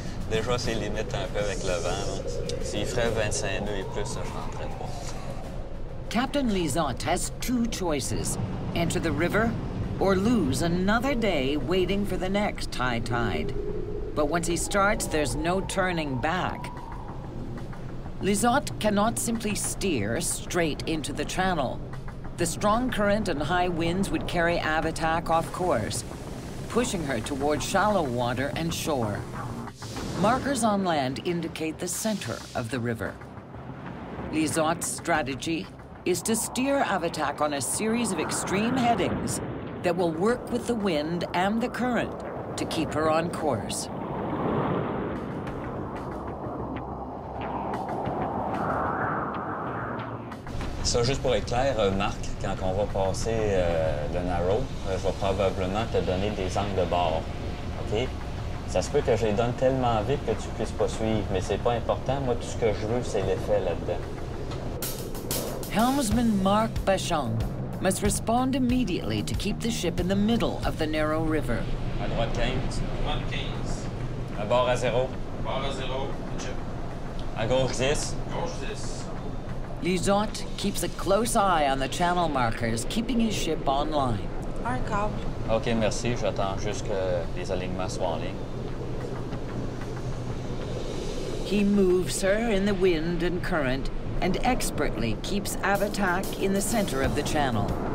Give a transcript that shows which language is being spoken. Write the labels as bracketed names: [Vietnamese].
[French] Déjà, c'est limite un peu avec le vent. S'il ferait 25 nœuds et plus, je rentrerais pas. [English] Captain Lizotte has 2 choices: enter the river or lose another day waiting for the next high tide. But once he starts, there's no turning back. Lizotte cannot simply steer straight into the channel. The strong current and high winds would carry AVATAQ off course, pushing her toward shallow water and shore. Markers on land indicate the center of the river. Lizotte's strategy is to steer AVATAQ on a series of extreme headings that will work with the wind and the current to keep her on course. [French] Ça, juste pour être clair, Marc, quand on va passer le narrow, je vais probablement te donner des angles de bord. OK? Ça se peut que je les donne tellement vite que tu puisses pas suivre, mais c'est pas important. Moi, tout ce que je veux, c'est l'effet là-dedans. [English] Helmsman Marc Bachon must respond immediately to keep the ship in the middle of the narrow river. [French] À droite 15. À droite 15. À bord à zéro. Bord à zéro. À gauche 10. Gauche 10. [English] Lizotte keeps a close eye on the channel markers, keeping his ship online. All right, Cobb. [French] OK, merci. J'attends juste que les alignements soient en ligne. [English] He moves her in the wind and current and expertly keeps AVATAQ in the center of the channel.